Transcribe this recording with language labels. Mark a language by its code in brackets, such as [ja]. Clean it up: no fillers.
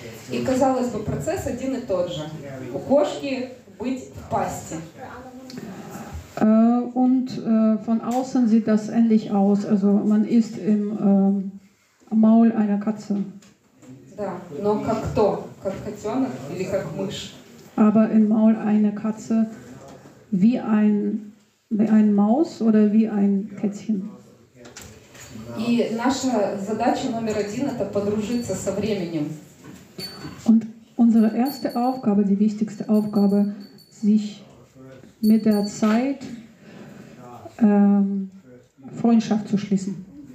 [ru] И казалось бы, процесс один и тот же. У кошки быть в пасти. [de] Und von außen sieht das ähnlich aus. Also man ist im Maul einer Katze. [ru] Да, но как кто? Как котенок или как мышь? [de] Aber im Maul eine Katze wie ein Maus oder wie ein Kätzchen. [ru] И наша задача номер один – это подружиться со временем. [de] Und unsere erste Aufgabe, die wichtigste Aufgabe, sich mit der Zeit Freundschaft zu schließen.